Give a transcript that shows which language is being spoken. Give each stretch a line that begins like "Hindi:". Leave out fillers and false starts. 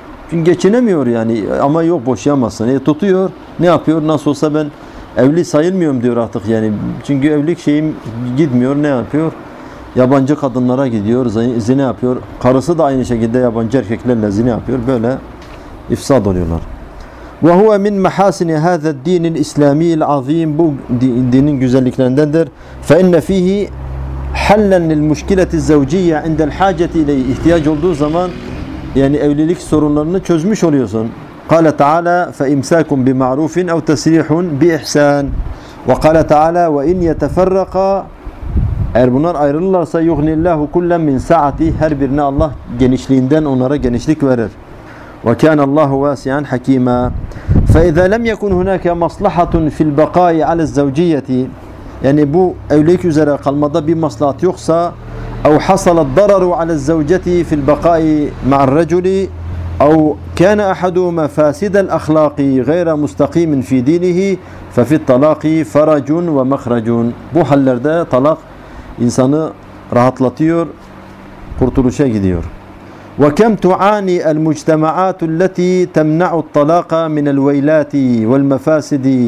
Turkish: çünkü geçinemiyor yani ama yok boşayamazsın tutuyor ne yapıyor nasıl olsa ben evli sayılmıyorum diyor artık yani çünkü evlilik şeyim gitmiyor ne yapıyor yabancı kadınlara gidiyor zina yapıyor karısı da aynı şekilde yabancı erkeklerle zina yapıyor böyle ifsad oluyorlar.
Arabic: وهو من محاسن هذا الدين الإسلامي العظيم دين جزلك لندر فإن فيه حلا للمشكلة الزوجية عند الحاجة إليه احتياج
Turkish: olduğu zaman yani evlilik sorunlarını çözmüş oluyorsun.
Arabic: قال تعالى فإمساك بمعروف أو تسريح بإحسان وقال تعالى وإن يتفرق
Turkish: eğer bunlar ayrılırlarsa
Arabic: yughnillahu kullen min sa'ati
Turkish: her birine Allah genişliğinden onlara genişlik verir.
Arabic: Ve kana Allahu vasian hakima. فإذا لم يكن هناك مصلحة في البقاء على الزوجية
Turkish: yani bu evlilik üzere kalmada bir maslahat yoksa
Arabic: او حصل الضرر على الزوجة في البقاء مع الرجل او كان احدهما فاسد الاخلاق غير مستقيم في دينه ففي الطلاق فرج ومخرج
Turkish: bu hallerde talak insanı rahatlatıyor kurtuluşa gidiyor
Arabic: وكم تعاني المجتمعات التي تمنع الطلاق من الويلات والمفاسد